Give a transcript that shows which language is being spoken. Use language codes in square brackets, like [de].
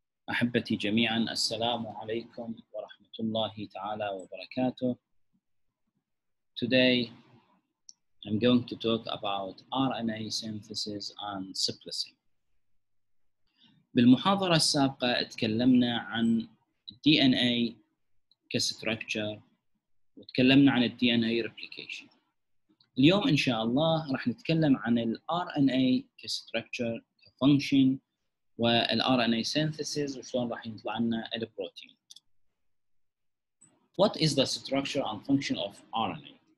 [ar] أحبتي جميعا، السلام عليكم ورحمة الله تعالى وبركاته. [en] Today I'm going to talk about RNA synthesis and splicing. [ar] بالمحاضرة السابقة تكلمنا عن DNA كstructure وتكلمنا عن DNA replication. اليوم إن شاء الله راح نتكلم عن RNA كstructure function والRNA synthesis وشلون راح يطلع لنا البروتين. [en] What is the structure and function of RNA?